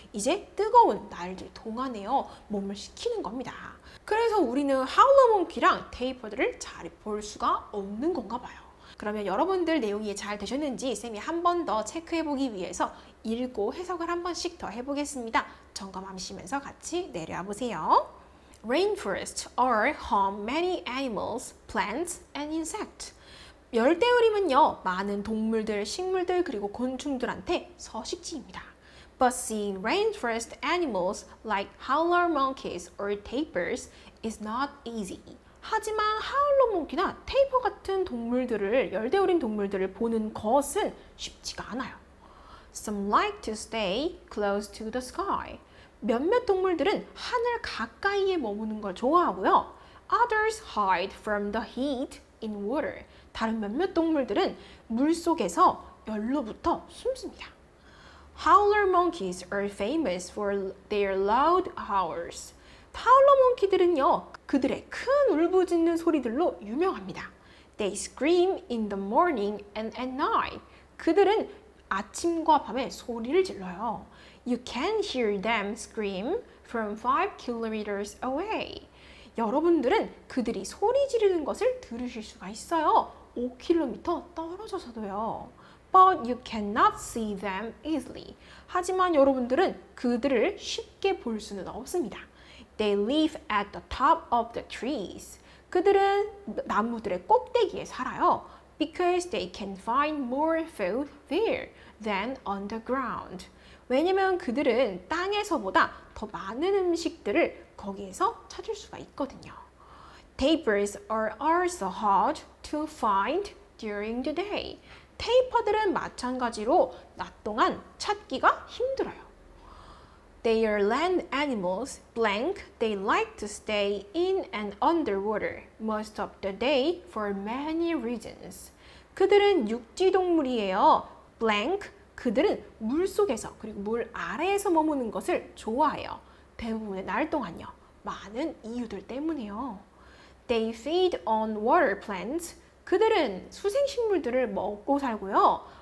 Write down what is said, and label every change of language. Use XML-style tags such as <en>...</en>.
<ko>이제 뜨거운 날들 동안에요. 몸을 식히는 겁니다. 그래서 우리는 Howler Monkey랑 테이퍼들을 잘 볼 수가 없는 건가 봐요. 그러면 여러분들 내용이 잘 되셨는지 쌤이 한 번 더 체크해보기 위해서 읽고 해석을 한 번씩 더 해보겠습니다. 점검 하시면서 같이 내려와보세요.</ko> <en>Rainforests are home many animals, plants, and insects.</en> <ko>열대우림은요, 많은 동물들, 식물들, 그리고 곤충들한테 서식지입니다.</ko> <en>But seeing rainforest animals like howler monkeys or tapirs is not easy.</en> <ko>하지만 하울러 몽키나 테이퍼 같은 동물들을, 열대우림 동물들을 보는 것은 쉽지가 않아요.</ko> <en>Some like to stay close to the sky.</en> <ko>몇몇 동물들은 하늘 가까이에 머무는 걸 좋아하고요.</ko> <en>Others hide from the heat in water.</en> <ko>다른 몇몇 동물들은 물 속에서 열로부터 숨습니다.</ko> <en>Howler monkeys are famous for their loud howls.</en> <ko>하울러 몽키들은요, 그들의 큰 울부짖는 소리들로 유명합니다.</ko> <en>They scream in the morning and at night.</en> <ko>그들은 아침과 밤에 소리를 질러요.</ko> <en>You can hear them scream from 5 kilometers away.</en> <ko>여러분들은 그들이 소리 지르는 것을 들으실 수가 있어요.</ko> <en>5km</en> <ko>떨어져서도요.</ko> <en>But you cannot see them easily.</en> <ko>하지만 여러분들은 그들을 쉽게 볼 수는 없습니다.</ko> <en>They live at the top of the trees.</en> <ko>그들은 나무들의 꼭대기에 살아요.</ko> <en>Because they can find more food there than on the ground.</en> <ko>왜냐면 그들은 땅에서보다 더 많은 음식들을 거기에서 찾을 수가 있거든요.</ko> <en>Tapirs are also hard to find during the day.</en> <ko>테이퍼들은 마찬가지로 낮 동안 찾기가 힘들어요.</ko> <en>They are land animals, blank. They like to stay in and underwater most of the day for many reasons.</en> <ko>그들은 육지 동물이에요.</ko> <en>blank.</en> <ko>그들은 물 속에서 그리고 물 아래에서 머무는 것을 좋아해요. 대부분의 날 동안요. 많은 이유들 때문에요.</ko> <en>They feed on water plants.</en> <ko>그들은 수생식물들을 먹고 살고요.</ko>